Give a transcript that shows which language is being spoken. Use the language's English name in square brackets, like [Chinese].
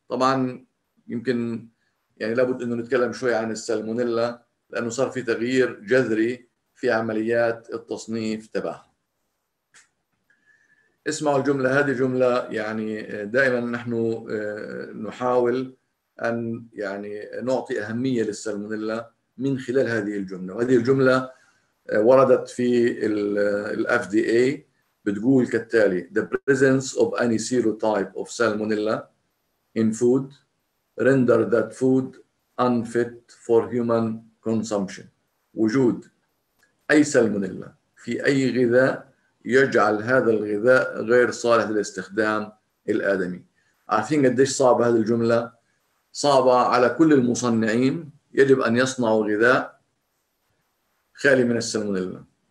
[Arabic] طبعا يمكن يعني لابد إنه نتكلم شوي عن السلمونيلا لأنه صار في تغيير جذري في عمليات التصنيف تبعها. اسمعوا الجملة، هذه جملة يعني دائما نحن نحاول أن يعني نعطي أهمية للسلمونيلا من خلال هذه الجملة. [English] وهذه الجملة وردت في الـ FDA بتقول كالتالي: The presence of any serotype of salmonella in food render that food unfit for human consumption. [Arabic] وجود أي سلمونيلا في أي غذاء يجعل هذا الغذاء غير صالح للاستخدام الآدمي. عارفين قديش صعبة هذه الجملة؟ صعبة على كل المصنعين، يجب أن يصنعوا غذاء خالي من السلمونيلا.